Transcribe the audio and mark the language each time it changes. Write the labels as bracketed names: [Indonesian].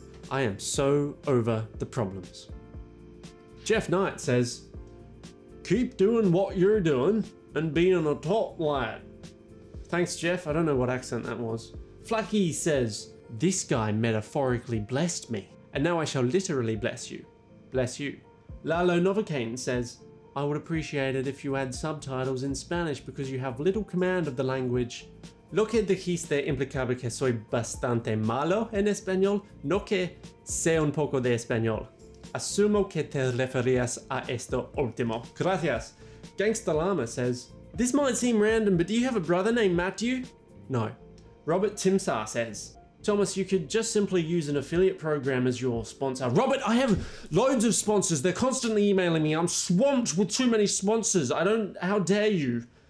[English] I am so over the problems. Jeff Knight says, keep doing what you're doing and being a top lad. Thanks, Jeff. I don't know what accent that was. Flacky says, this guy metaphorically blessed me, and now I shall literally bless you. Bless you. Lalo Novocaine says, I would appreciate it if you add subtitles in Spanish because you have little command of the language. [Spanish] Lo que dijiste implicaba que soy bastante malo en español, no que sé un poco de español. Asumo que te referías a esto último. Gracias. [English] Gangsta Llama says, this might seem random, but do you have a brother named Matthew? No. Robert Timsar says, Thomas, you could just simply use an affiliate program as your sponsor. Robert, I have loads of sponsors. They're constantly emailing me. I'm swamped with too many sponsors. How dare you?